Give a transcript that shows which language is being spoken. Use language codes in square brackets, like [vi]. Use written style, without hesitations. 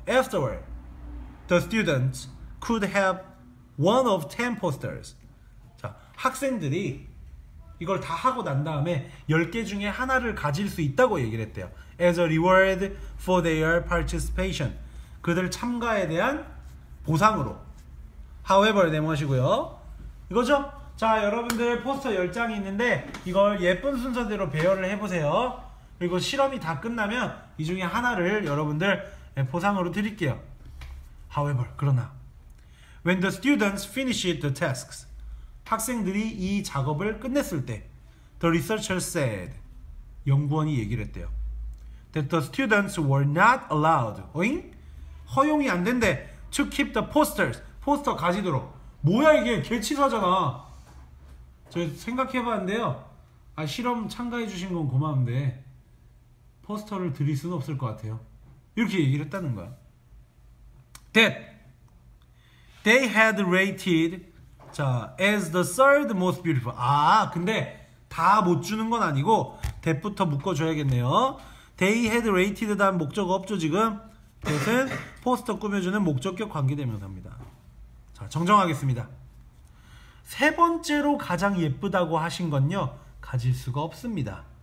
[en] Afterward, the students could have one of 10 posters. [ko] 자, 학생들이 이걸 다 하고 난 다음에 10개 중에 하나를 가질 수 있다고 얘기를 했대요. [en] As a reward for their participation. [ko] 그들 참가에 대한 보상으로. However, 네모하시고요. 이거죠? 자, 여러분들 포스터 10장이 있는데 이걸 예쁜 순서대로 배열을 해보세요. 그리고 실험이 다 끝나면 이 중에 하나를 여러분들 보상으로 드릴게요. [en] However, [ko] 그러나 [en] When the students finished the tasks, [ko] 학생들이 이 작업을 끝냈을 때 [en] The researcher said, [ko] 연구원이 얘기를 했대요. [en] That the students were not allowed, [ko] 어잉? 허용이 안 된대. [en] To keep the posters, [ko] 포스터 가지도록. 뭐야 이게, 개치사잖아. 저 생각해봤는데요. 아, 실험 참가해주신 건 고마운데 포스터를 드릴 수는 없을 것 같아요. 이렇게 얘기를 했다는 거야. [en] That they had rated 자, as the third most beautiful. [ko] 아, 근데 다 못 주는 건 아니고 that부터 묶어줘야겠네요. [en] They had rated [ko] 단 목적어 없죠, 지금? That은 포스터 꾸며주는 목적격 관계대명사입니다. 자, 정정하겠습니다. 세 번째로 가장 예쁘다고 하신 건요, 가질 수가 없습니다.